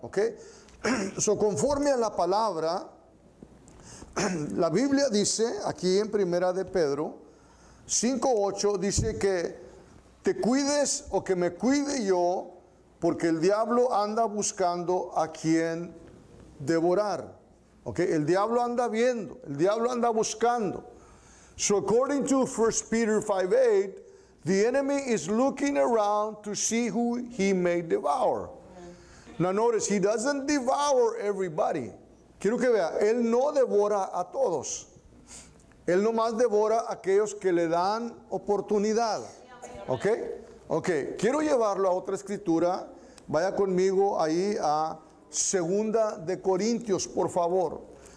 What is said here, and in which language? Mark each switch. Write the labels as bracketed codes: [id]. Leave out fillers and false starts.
[es] Ok, so, conforme a la palabra, la Biblia dice aquí en primera de Pedro 5:8, dice que te cuides o que me cuide yo, porque el diablo anda buscando a quien devorar. ¿Ok? El diablo anda viendo, el diablo anda buscando. [en] So according to 1 Peter 5:8, the enemy is looking around to see who he may devour. Now notice, he doesn't devour everybody. [es] Quiero que vea, él no devora a todos. Él nomás devora a aquellos que le dan oportunidad. ¿Ok? Ok, quiero llevarlo a otra escritura. Vaya conmigo ahí a Segunda de Corintios, por favor.